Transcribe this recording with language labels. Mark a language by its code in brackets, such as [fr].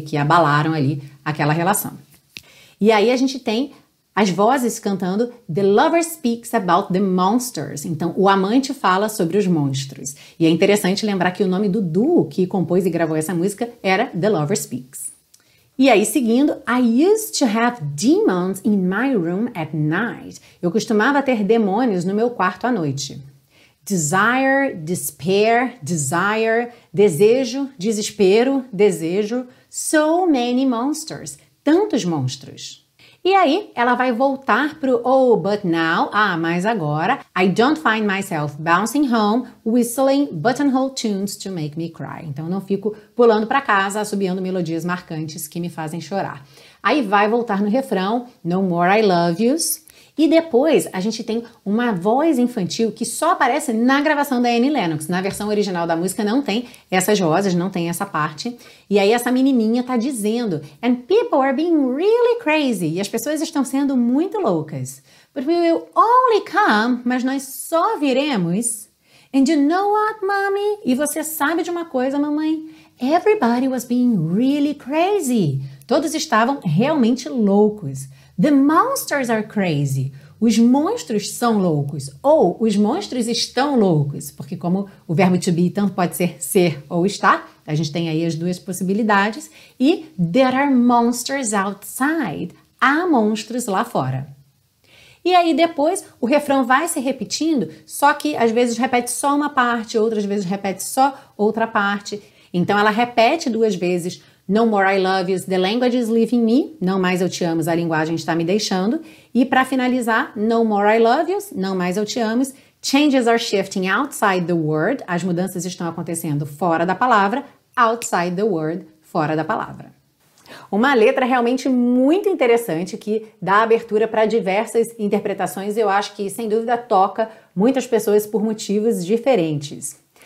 [pt] Que abalaram ali aquela relação. E aí a gente tem as vozes cantando [en] The lover speaks about the monsters. [pt] Então, o amante fala sobre os monstros. E é interessante lembrar que o nome do duo que compôs e gravou essa música era The Lover Speaks. E aí, seguindo, [en] I used to have demons in my room at night. [pt] Eu costumava ter demônios no meu quarto à noite. [en] Desire, despair, desire, [pt] desejo, desespero, desejo. [en] So many monsters. [pt] Tantos monstros. E aí, ela vai voltar pro [en] oh, but now, [pt] ah, mas agora, [en] I don't find myself bouncing home, whistling buttonhole tunes to make me cry. [pt] Então, eu não fico pulando pra casa, assobiando melodias marcantes que me fazem chorar. Aí vai voltar no refrão, [en] no more I love yous. [pt] E depois, a gente tem uma voz infantil que só aparece na gravação da Annie Lennox. Na versão original da música não tem essas vozes, não tem essa parte. E aí essa menininha tá dizendo, [en] and people are being really crazy. [pt] E as pessoas estão sendo muito loucas. [en] But we will only come, [pt] mas nós só viremos. [en] And you know what, mommy? [pt] E você sabe de uma coisa, mamãe? [en] Everybody was being really crazy. [pt] Todos estavam realmente loucos. [en] The monsters are crazy. [pt] Os monstros são loucos. Ou os monstros estão loucos. Porque como o verbo to be tanto pode ser ou estar, a gente tem aí as duas possibilidades. [en] E there are monsters outside. [pt] Há monstros lá fora. E aí depois o refrão vai se repetindo, só que às vezes repete só uma parte, outras vezes repete só outra parte. Então ela repete duas vezes. [en] No more I love yous, the language is leaving me. [pt] Não mais eu te amo, a linguagem está me deixando. E para finalizar, [en] no more I love yous, [pt] não mais eu te amo. [en] Changes are shifting outside the word. [pt] As mudanças estão acontecendo fora da palavra. [en] Outside the word, [pt] fora da palavra. Uma letra realmente muito interessante que dá abertura para diversas interpretações e eu acho que, sem dúvida, toca muitas pessoas por motivos diferentes.